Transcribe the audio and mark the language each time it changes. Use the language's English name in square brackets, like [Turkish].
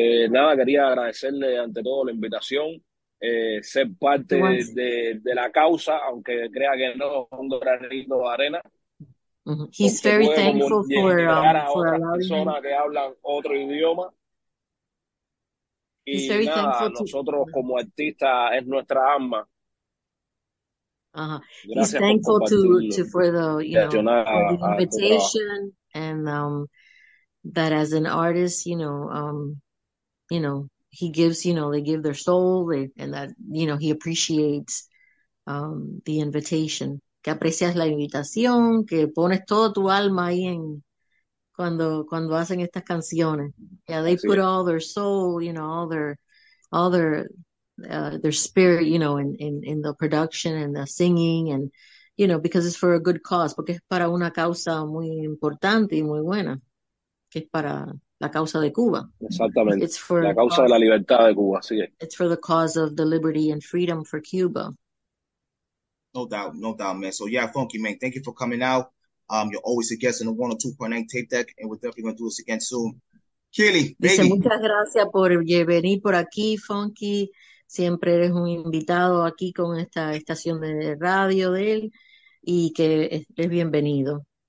[Spanish] Nada, quería agradecerle ante todo la invitación, ser parte de la causa, aunque crea que no es un granito de arena. [English] He's very thankful for allowing [Spanish] personas que hablan otro idioma. Y nada, nosotros como artista es nuestra alma. [English] He's thankful for the invitation and that as an artist, you know, he gives, you know, they give their soul and that, you know, he appreciates the invitation. [Spanish] Que aprecias la invitación, que pones todo tu alma ahí en cuando hacen estas canciones. [English] Yeah, they put all their soul, you know, all their spirit, you know, in the production and the singing and, you know, because it's for a good cause. [Spanish] Porque es para una causa muy importante y muy buena, que es para la causa de Cuba. Exactamente. [English] It's for [Spanish] la causa de la libertad de Cuba, sí. [English] It's for the cause of the liberty and freedom for Cuba. No doubt, no doubt, man. So yeah, Funky, man, thank you for coming out. You're always a guest in the 102.9 tape deck, and we're definitely going to do this again soon. Kelly, baby. [Spanish] Dice, muchas gracias por venir por aquí, Funky. Siempre eres un invitado aquí con esta estación de radio de él, y que es bienvenido.